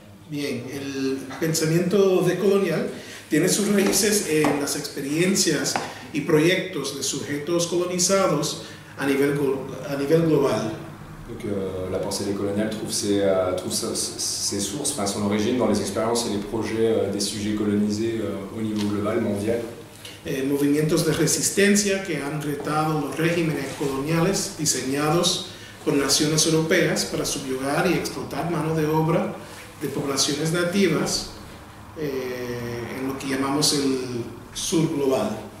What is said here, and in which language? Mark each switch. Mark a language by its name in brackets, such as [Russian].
[Spanish] Bien, el pensamiento decolonial tiene sus raíces en las experiencias y proyectos de sujetos colonizados a nivel global. [French] Donc la pensée décoloniale trouve ses sources, enfin son origine dans les expériences et les projets des sujets colonisés au niveau global, mondial. [Spanish] Movimientos de resistencia que han retado los regímenes coloniales diseñados por naciones europeas para subyugar y explotar mano de obra de poblaciones nativas en lo que llamamos el sur global.